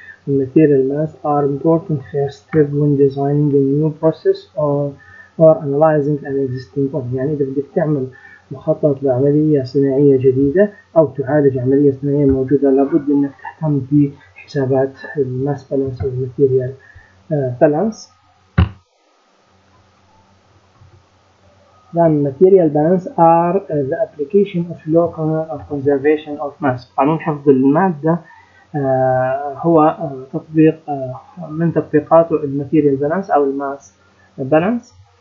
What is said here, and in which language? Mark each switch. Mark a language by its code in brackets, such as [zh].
[en] الماتيريال balance are important first step when designing a new process or analyzing an existing one. [ar] يعني إذا بدك تعمل مخطط لعملية صناعية جديدة أو تعالج عملية صناعية موجودة لابد أنك تهتم بحسابات الماس بالانس والماتيريال بالانس. [en] Then material balance are the application of law of conservation of mass. [ar] قانون حفظ المادة هو تطبيق من تطبيقاته الماتيريال بالانس أو الماس بالانس.